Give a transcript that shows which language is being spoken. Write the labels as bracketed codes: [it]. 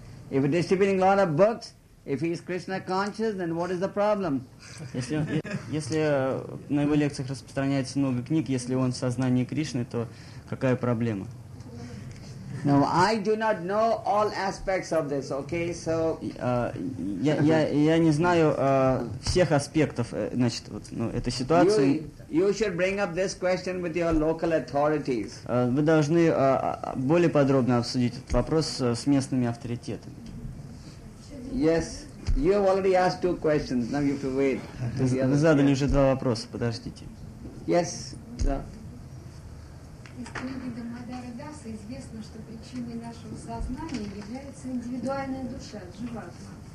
[en] If you're distributing a lot of books, if he is Krishna conscious, then what is the problem? [ru] Если на его лекциях распространяется много книг, если он в сознании Кришны, то какая проблема? [en] Now, I do not know all aspects of this, okay? So [ru] я не знаю всех аспектов, значит, вот, ну, этой ситуации. [en] You should bring up this question with your local authorities. [ru] Вы должны более подробно обсудить этот вопрос с местными авторитетами. [en] Yes. You have already asked two questions. Now you have to wait. [ru] Вы задали уже два вопроса. Подождите. [en] Yes. [ru] Из книги Дармадара Даса известно, что причиной нашего сознания является индивидуальная душа, дживатма.